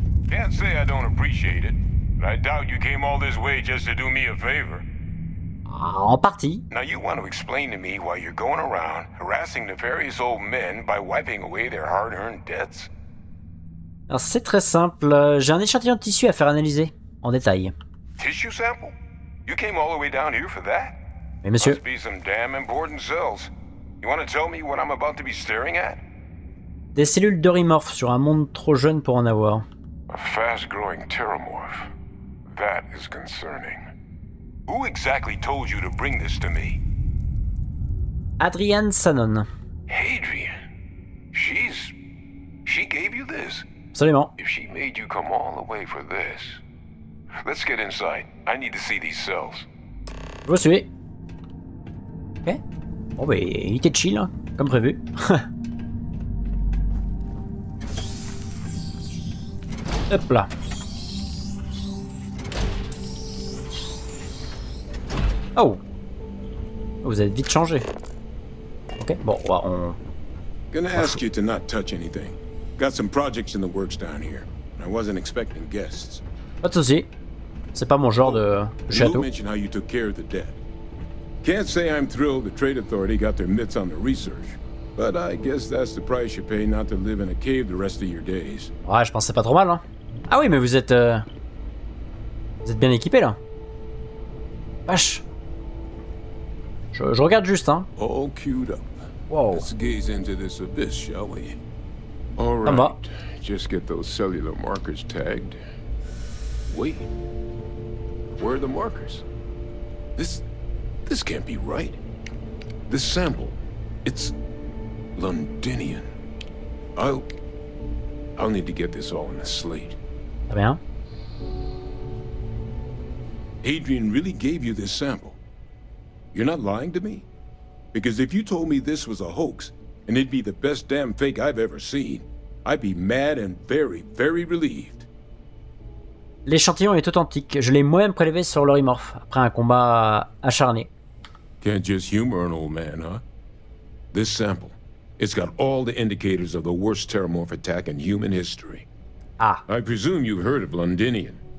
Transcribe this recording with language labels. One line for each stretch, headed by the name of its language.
English: Can't say I don't appreciate it, but I doubt you came all this way just to do me a favor.
French: En partie.
English: Now you want to explain to me why you're going around harassing nefarious old men by wiping away their hard-earned debts?
French: Alors c'est très simple, j'ai un échantillon de tissu à faire analyser, en détail.
English: Tissue sample? You came all the way down here for that?
French: Mais monsieur...
English: must be some damn important cells. You want to tell me what I'm about to be staring at?
French: Des cellules d'orimorphes sur un monde trop jeune pour en avoir.
English: A fast-growing pteromorph. That is concerning. Who exactly told you to bring this to me? Adrienne Sanon. Adrienne? She's... She gave you this?
French: Absolument.
English: If she made you come all the way for this... Let's get inside. I need to see these cells.
French: Je vous suis. Ok. Bon, ben, il était chill, hein, comme prévu. Hop là. Oh, vous avez vite changé. Ok, bon, on...
English: Gonna ask you to not touch anything. Got some projects in the works down here. I wasn't expecting guests.
French: Pas de soucis. C'est pas mon genre de château.
English: You mentioned how you took care of the dead. Can't say I'm thrilled the Trade Authority got their mitts on the research. But I guess that's the price you pay not to live in a cave the rest of your days.
French: Ouais, je pensais pas trop mal, hein. Ah oui, mais vous êtes... Vous êtes bien équipé, là. Vache. Je regarde juste, hein.
English: All queued up. Wow. Let's gaze into this abyss, shall we? All right. Just get those cellular markers tagged. Wait. Where are the markers? This can't be right. This sample, it's Londinian. I'll need to get this all in a slate.
French: Très bien.
English: Adrienne really gave you this sample. You're not lying to me? Because if you told me this was a hoax, and it'd be the best damn fake I've ever seen, I'd be mad and very, very relieved.
French: L'échantillon est authentique. Je l'ai moi-même prélevé sur l'Orimorph après un combat acharné.
English: Can't just humor an old man, huh? This sample, it's got all the indicators of the worst Terramorph attack in human history. Ah. I presume you've heard of Londinian.